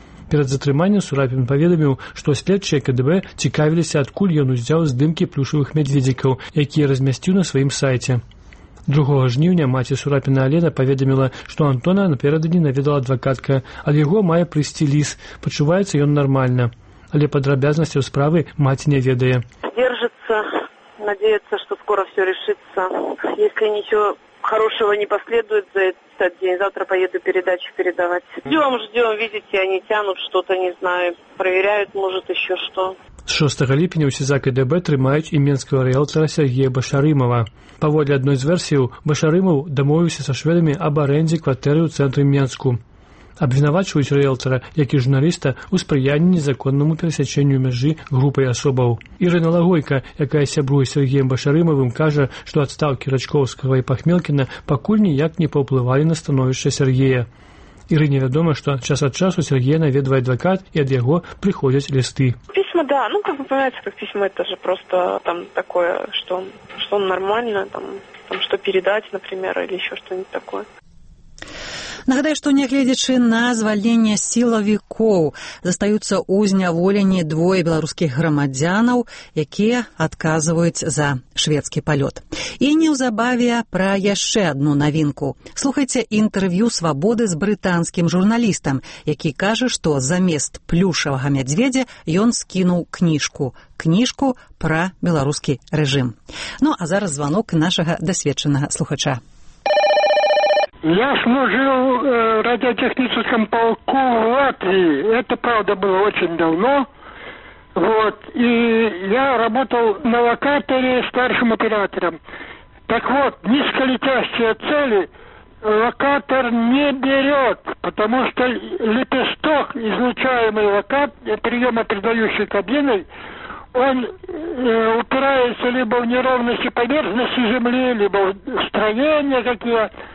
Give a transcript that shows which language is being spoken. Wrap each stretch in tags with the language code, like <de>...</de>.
<be>Перад затрыманнем Сурапін паведаміў, што следчыя КДБ цікавіліся, адкуль ён узяў здымкі плюшавых мядзведзікаў, якія размясціў на сваім сайце. 2 жніўня маці Сурапіна Алена паведаміла, што Антона напярэдадні наведала адвакатка, ад яго мае прыйсці ліс, пачуваецца ён нармальна. Але падрабязнасцяў справы маці не ведае.</be> <ru>Держыцца, надеецца, што скоро все решыцца. Если нічого хорошего не последует за этот день, завтра поеду передачу передавать. Ждем, видите, они тянут что-то, не знаю, проверяют, может, еще что.</ru> <be>З 6 ліпеня ў СІЗА КДБ трымаюць і менскага рыэлтара Сергія Башарымова. Паводле адной з версій, Башарымаў дамовіўся са шведамі аб арэндзе кватэры ў цэнтры Менску. Абвінавачваюць рыэлтара, як і журналіста, у спрыянні незаконнаму перасячэнню мяжы групай асобаў. Ірына Лагойка, якая сябруе з Сергіем Башарымавым, кажа, што адстаўкі Рачкоўскага і Пахмелкіна пакуль ніяк не паўплывалі на становішча Сергія. Ірыне вядома, што час ад часу Сергія наведвае адвакат і ад яго прыходзяць лісты.</be> <ru>Письма, да, ну, как бы, понимаете, как письма, это же просто там такое, что нормально, там, что передать, например, или еще что-нибудь такое.</ru> <be>Нагадаю, што нягледзячы на звальненне сілавікоў, застаюцца ў зняволенні двое беларускіх грамадзянаў, якія адказваюць за шведскі палёт. І неўзабаве пра яшчэ адну навінку. Слухайце інтэрв'ю «Свабоды» з брытанскім журналістам, які кажа, што замест плюшавага мядзведзя ён скінуў кніжку. Кніжку пра беларускі рэжым. Ну, а зараз званок нашага дасведчанага слухача.</be> <ru>Я служил в радиотехническом полку в Латвии. Это, правда, было очень давно. Вот. И я работал на локаторе старшим оператором. Так вот, низколетящие цели локатор не берет, потому что лепесток, излучаемый локатор, приемопередающей кабиной, он упирается либо в неровности поверхности земли, либо в строения какие-то.</ru>